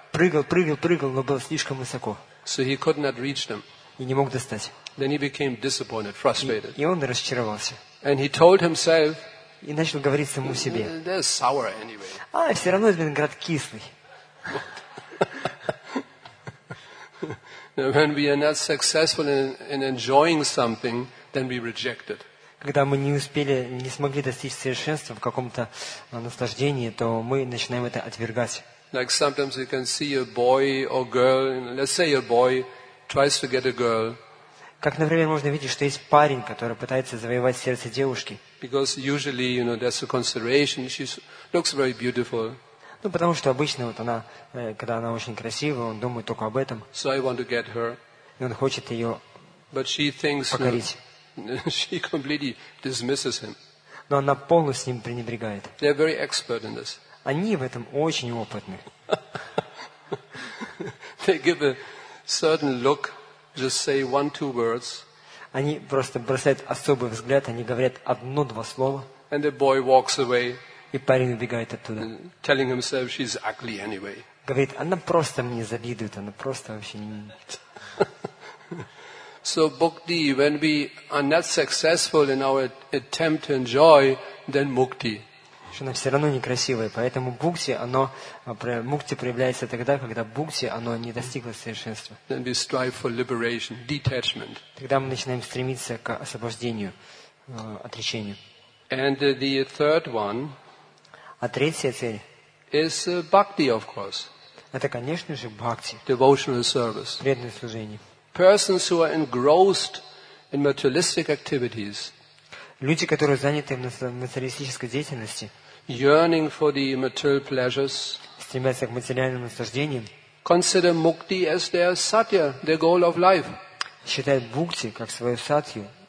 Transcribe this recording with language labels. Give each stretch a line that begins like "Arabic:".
Russian: Прыгал, но было слишком высоко.
English: So he could not reach them.
Russian: И не мог достать.
English: Then he became disappointed, frustrated.
Russian: И он разочаровался.
English: And he told himself,
Russian: и начал говорить самому себе,
English: they're sour anyway.
Russian: А, все равно этот виноград кислый.
English: Now, when we are not successful in enjoying something, then we reject it.
Russian: Когда мы не смогли достичь совершенства в каком-то наслаждении, то мы начинаем это отвергать.
English: Like sometimes you can see a boy or girl, let's say a boy tries to get a girl.
Russian: Как, например, можно видеть, что есть парень, который пытается завоевать сердце девушки.
English: Because usually, you know, that's a consideration. She looks very beautiful.
Russian: Ну, потому что обычно вот она, когда она очень красивая, он думает только об этом.
English: So I want to get her.
Russian: И он хочет ее
English: But she thinks,
Russian: покорить.
English: She completely dismisses him.
Russian: Но она полностью с ним пренебрегает.
English: They are very expert in this.
Russian: Они в этом очень опытны.
English: They give a certain look, just say one, two words.
Russian: Они просто бросают особый взгляд, они говорят одно-два слова.
English: And the boy walks away.
Russian: И парень убегает оттуда.
English: Telling himself she's ugly anyway.
Russian: Говорит, она просто мне завидует, она просто вообще не.
English: So bhakti, when we are not successful in our attempt to enjoy, then mukti.
Russian: Что она все равно некрасивая, поэтому бхукти, оно мукти проявляется тогда, когда бхукти, оно не достигло совершенства.
English: Then we strive for liberation, detachment.
Russian: Тогда мы начинаем стремиться к освобождению, отречению.
English: And the third one.
Russian: А третья цель.
English: Is bhakti, of course.
Russian: Это, конечно же, бхакти.
English: Devotional service.
Russian: Преданное служение.
English: Persons who are engrossed in materialistic activities.
Russian: Люди, которые заняты в материалистической деятельности,
English: yearning for the material pleasures,
Russian: стремятся к материальным наслаждениям,
English: consider mukti as their satya, their goal of life.
Russian: Считают мукти как свою сатью.